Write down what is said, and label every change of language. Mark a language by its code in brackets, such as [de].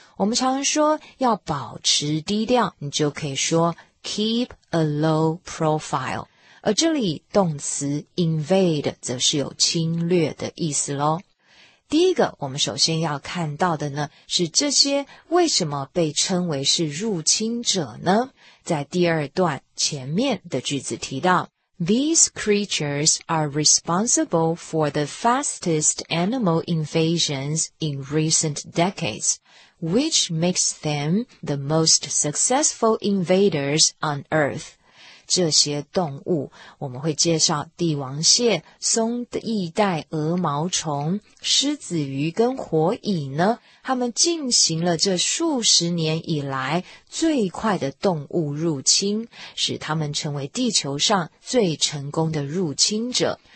[zh] 我们常说要保持低调，你就可以说 [en] keep a low profile。 [zh] 而这里动词 invade 则是有侵略的意思咯。第一个我们首先要看到的呢，是这些为什么被称为是入侵者呢？在第二段前面的句子提到， [en] These creatures are responsible for the fastest animal invasions in recent decades, which makes them the most successful invaders on Earth. [zh] 这些动物，我们会介绍帝王蟹、松翼带鹅毛虫、狮子鱼跟火蚁呢，他们进行了这数十年以来最快的动物入侵，使他们成为地球上最成功的入侵者。